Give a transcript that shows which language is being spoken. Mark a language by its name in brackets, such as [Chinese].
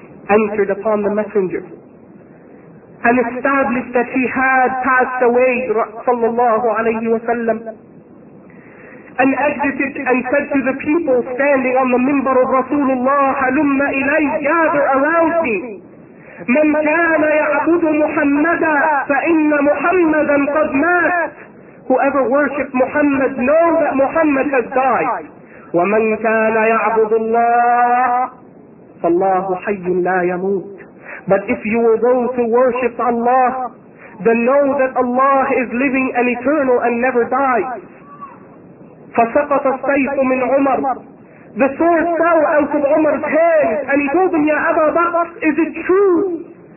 [English] entered upon the Messenger and established that he had passed away, sallallahu alayhi wa sallam, and exited and said to the people standing on the minbar of Rasulullah, [Arabic] halumma ilayh, [English] gather around me. [Arabic] من كان يعبد محمدا فإن محمدا قد مات. [English] Whoever worshipped Muhammad, know that Muhammad has died. [Arabic] ومن كان يعبد الله فالله حي لا يموت. [English] But if you were those who worship Allah, then know that Allah is living and eternal and never dies. [Arabic] فسقط السيف من عمر. [English] The sword fell out of Umar's hands, and he told him, Ya Abu Bakr, is it true?